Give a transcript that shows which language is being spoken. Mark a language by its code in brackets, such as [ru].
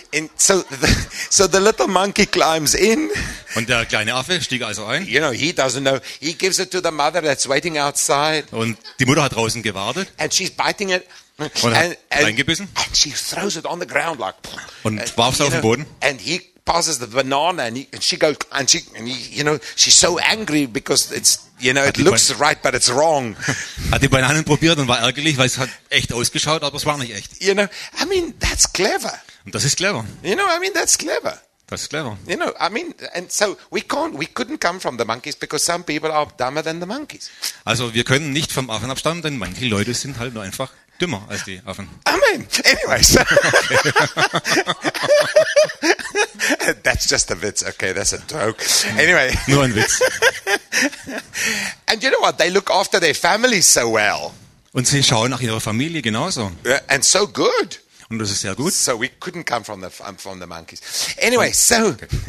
[en] You know, so the little monkey climbs in. [de] Und der kleine Affe stieg also ein. [en] You know, he doesn't know. He gives it to the mother that's waiting outside. [de] Und die Mutter hat draußen gewartet. [en] And she's biting it. [de] Und hat reingebissen. [en] And she throws it on the ground like. [de] Und warf es auf den Boden. [en] And he passes the banana and she goes, you know, she's so angry because it's, you know, it looks right, but it's wrong. [de] Hat die Bananen probiert und war ärgerlich, weil es hat echt ausgeschaut, aber es war nicht echt. [en] You know, I mean, that's clever. [de] Und das ist clever. [en] You know, I mean, that's clever. [de] Das ist clever. [en] You know, I mean, and so we couldn't come from the monkeys because some people are dumber than the monkeys. [de] Also wir können nicht vom Affen abstammen, denn manche Leute sind halt nur einfach dümmer als die Affen. [en] Amen. Anyways. That's just a witz. Okay, that's a joke. Anyway. [de] Nur ein Witz. [en] And you know what? They look after their families so well. [de] Und sie schauen nach ihrer Familie genauso. [en] Yeah, and so good. [de] Und das ist sehr gut. [en] So we couldn't come from the monkeys. Anyway, so okay.